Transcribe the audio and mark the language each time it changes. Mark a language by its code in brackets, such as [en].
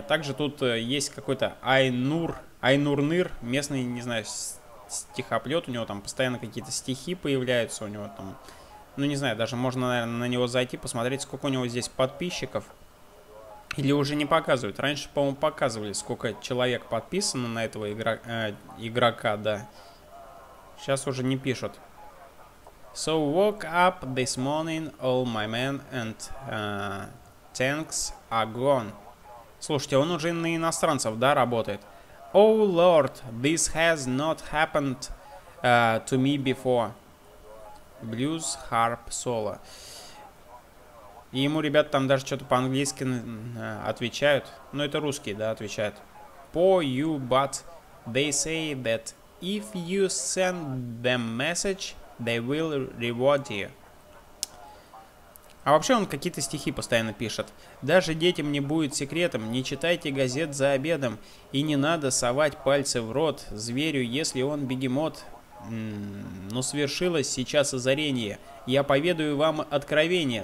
[ru] Также тут есть какой-то Айнурныр, местный, не знаю, стихоплет, у него там постоянно какие-то стихи появляются у него там. Ну, не знаю, даже можно, наверное, на него зайти, посмотреть, сколько у него здесь подписчиков. Или уже не показывают. Раньше, по-моему, показывали, сколько человек подписано на этого игрока, да. Сейчас уже не пишут. [en] So, woke up this morning, all my men and tanks are gone. [ru] Слушайте, он уже на иностранцев, да, работает? [en] Oh Lord, this has not happened to me before. Blues harp solo. [ru] И ему, ребята, там даже что-то по-английски отвечают. Ну, это русские, да, отвечают. [en] Poor you, but they say that if you send them message, they will reward you. [ru] А вообще он какие-то стихи постоянно пишет. Даже детям не будет секретом, не читайте газет за обедом, и не надо совать пальцы в рот зверю, если он бегемот. Но свершилось сейчас озарение. Я поведаю вам откровение.